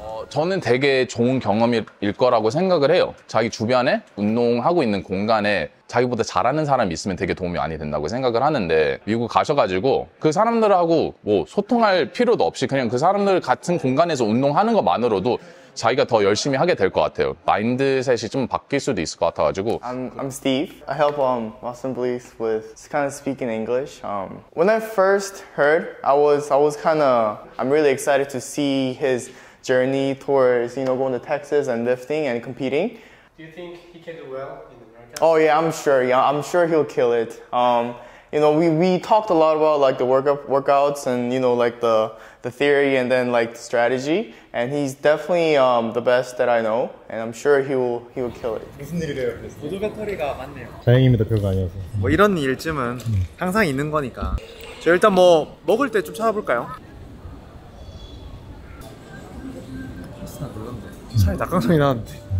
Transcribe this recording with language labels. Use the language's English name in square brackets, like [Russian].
[Korean] 저는 되게 좋은 경험일 거라고 생각을 해요. 자기 주변에 운동하고 있는 공간에 자기보다 잘하는 사람이 있으면 되게 도움이 많이 된다고 생각을 하는데 미국 가셔가지고 그 사람들하고 뭐 소통할 필요도 없이 그냥 그 사람들 같은 공간에서 운동하는 것만으로도 자기가 더 열심히 하게 될 것 같아요. 마인드셋이 좀 바뀔 수도 있을 것 같아가지고. [English] I'm Steve. I help Muslim police with kind of speaking English. When I first heard, I'm really excited to see his journey towards, you know, going to Texas and lifting and competing. Do you think he can do well in America? Oh yeah, I'm sure. Yeah, I'm sure he'll kill it. You know, we talked a lot about like the workouts and, you know, like the theory and then like the strategy. And he's definitely the best that I know. And I'm sure he will kill it. [Korean] 무슨 일이래요? 그래서 모두 배터리가 맞네요. 다행입니다, 별거 아니어서. 뭐 이런 일쯤은 항상 있는 거니까. 저 일단 뭐 먹을 때 좀 찾아볼까요? 차라리 닭강정이 나왔는데.